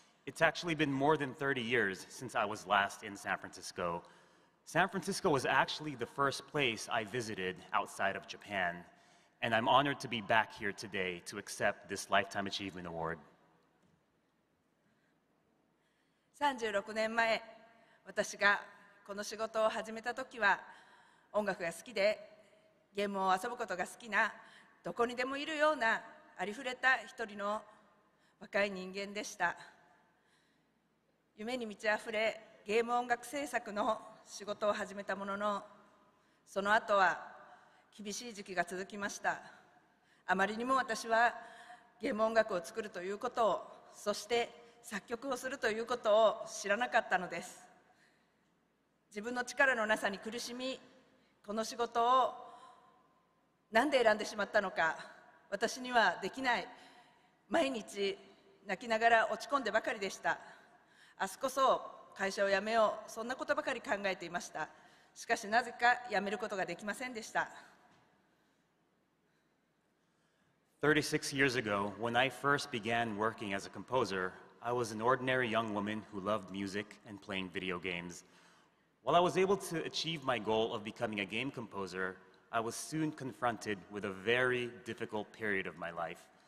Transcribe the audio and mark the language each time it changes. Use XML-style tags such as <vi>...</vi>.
<en>It's actually been more than 30 years since I was last in San Francisco. San Francisco was actually the first place I visited outside of Japan. And I'm honored to be back here today to accept this Lifetime Achievement Award.</en> <ja>36年前、私がこの仕事を始めた時は、音楽が好きで、ゲームを遊ぶことが好きな、どこにでもいるようなありふれた一人の若い人間でした。夢に満ちあふれ、ゲーム音楽制作の仕事を始めたものの、その後は厳しい時期が続きました。あまりにも私はゲーム音楽を作るということを、そして作曲をするということを知らなかったのです。自分の力のなさに苦しみ、この仕事をなんで選んでしまったのか、私にはできない。毎日泣きながら落ち込んでばかりでした。明日こそ会社を辞めよう、そんなことばかり考えていました。しかしなぜか辞めることができませんでした。</ja> <en>36 years ago, when I first began working as a composer, I was an ordinary young woman who loved music and playing video games. While I was able to achieve my goal of becoming a game composer, I was soon confronted with a very difficult period of my life.</en>